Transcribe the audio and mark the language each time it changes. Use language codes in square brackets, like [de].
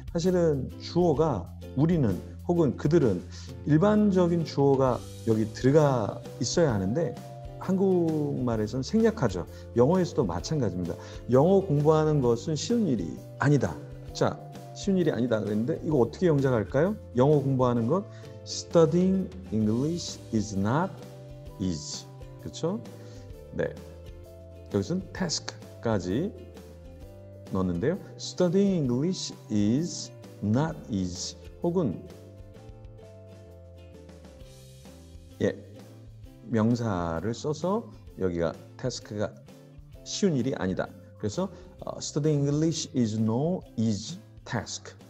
[ko] 사실은 주어가 우리는 혹은 그들은 일반적인 주어가 여기 들어가 있어야 하는데 한국말에서는 생략하죠. 영어에서도 마찬가지입니다. 영어 공부하는 것은 쉬운 일이 아니다. 자, 쉬운 일이 아니다 그랬는데 이거 어떻게 영작할까요? 영어 공부하는 것 [en] Studying English is not easy. [ko] 그렇죠? 네, 여기서는 task까지 넣는데요. [en] Studying English is not easy. [ko] 혹은 예, 명사를 써서 여기가 태스크가 쉬운 일이 아니다. [en] 그래서 Study English is no easy task.